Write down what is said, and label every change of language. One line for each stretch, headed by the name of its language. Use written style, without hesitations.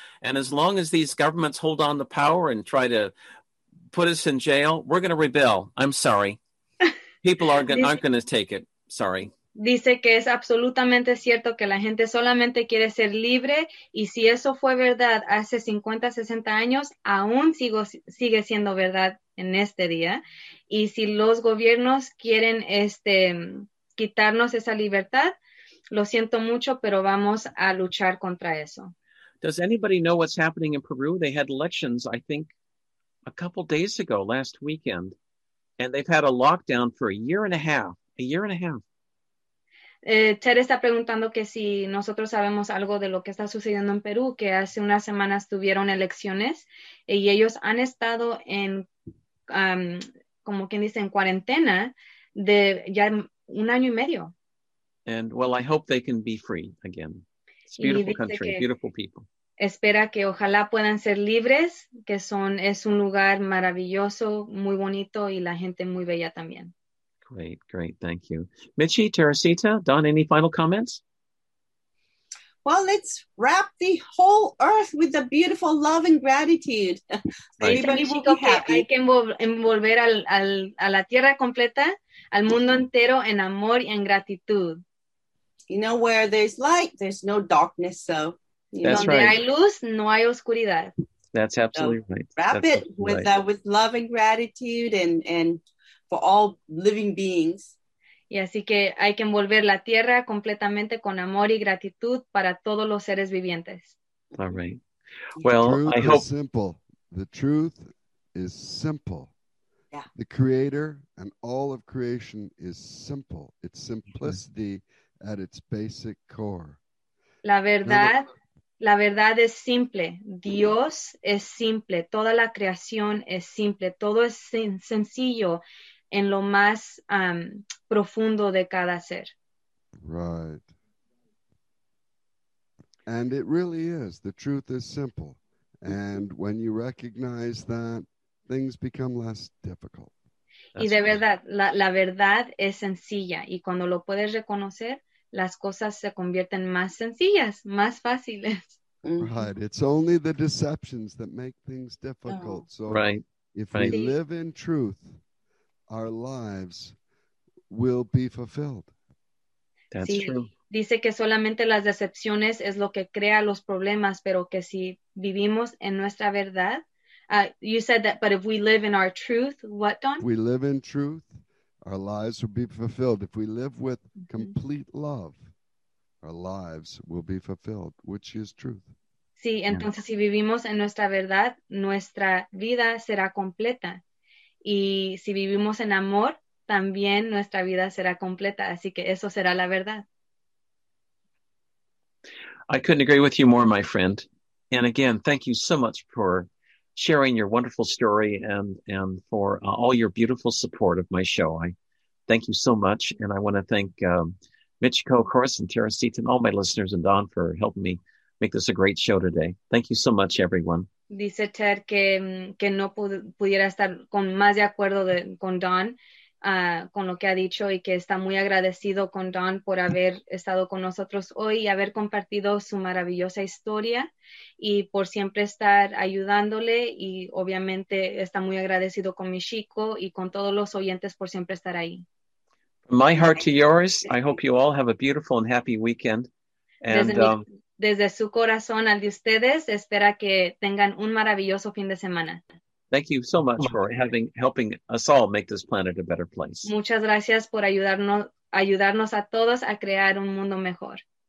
English: And as long as these governments hold on to power and try to put us in jail, we're going to rebel. I'm sorry. People aren't going to take it. Sorry.
Spanish: Dice que es absolutamente cierto que la gente solamente quiere ser libre. Y si eso fue verdad hace 50, 60 años, aún sigue siendo verdad en este día. Y si los gobiernos quieren quitarnos esa libertad, lo siento mucho, pero vamos a luchar contra eso.
English: Does anybody know what's happening in Peru? They had elections, I think, a couple days ago, last weekend, and they've had a lockdown for a year and a half. A year and a half.
Spanish: Ted está preguntando que si nosotros sabemos algo de lo que está sucediendo en Perú, que hace unas semanas tuvieron elecciones, y ellos han estado en, como quien dice, en cuarentena, de ya un año y medio.
English: And well, I hope they can be free again. It's a beautiful country, beautiful people.
Spanish: Espera que ojalá puedan ser libres, que es un lugar maravilloso, muy bonito, y la gente muy bella también.
English: Great, great, thank you. Michi, Teresita, Don, any final comments? Well, let's wrap the whole earth with the beautiful love and gratitude. Everybody will be happy.
Spanish: Hay que envolver a la tierra completa, al mundo entero, en amor y en gratitud.
English: You know, where there's light, there's no darkness. So, that's
Spanish: donde
English: right.
Spanish: Hay luz, no hay oscuridad.
English: That's absolutely so right. Wrap that's it with right. With love and gratitude and for all living beings.
Spanish: Y así que hay que envolver la tierra completamente con amor y gratitud para todos los seres vivientes.
English: All right. Well, I hope. Simple. The truth is simple. Yeah. The creator and all of creation is simple. It's simplicity at its basic core.
Spanish: La verdad es simple. Dios es simple. Toda la creación es simple. Todo es sencillo. En lo más profundo de cada ser.
English: Right. And it really is. The truth is simple. And when you recognize that, things become less difficult. That's
Spanish: y de verdad, la verdad es sencilla. Y cuando lo puedes reconocer, las cosas se convierten más sencillas, más fáciles.
English: Right. It's only the deceptions that make things difficult. Oh. So right. If right. We live in truth, our lives will be fulfilled. That's true.
Spanish: Dice que solamente las decepciones es lo que crea los problemas, pero que si vivimos en nuestra verdad,
English: you said that, but if we live in our truth, what, Don? If we live in truth, our lives will be fulfilled. If we live with complete love, our lives will be fulfilled, which is truth.
Spanish: Sí, entonces si vivimos en nuestra verdad, nuestra vida será completa. Y si vivimos en amor, también nuestra vida será completa. Así que eso será la verdad.
English: I couldn't agree with you more, my friend. And again, thank you so much for sharing your wonderful story and for all your beautiful support of my show. I thank you so much. And I want to thank Michiko, of course, and Tara Seaton, all my listeners, and Don for helping me make this a great show today. Thank you so much, everyone.
Spanish: Dice Ted que no pudiera estar con más de acuerdo con Don con lo que ha dicho y que está muy agradecido con Don por haber estado con nosotros hoy y haber compartido su maravillosa historia y por siempre estar ayudándole y obviamente está muy agradecido con mi chico y con todos los oyentes por siempre estar ahí.
English: From my heart to yours, I hope you all have a beautiful and happy weekend. And,
Spanish: desde su corazón al de ustedes, espera que tengan un maravilloso fin de semana.
English: Thank you so much for helping us all make this planet a better place.
Spanish: Muchas gracias por ayudarnos a todos a crear un mundo mejor.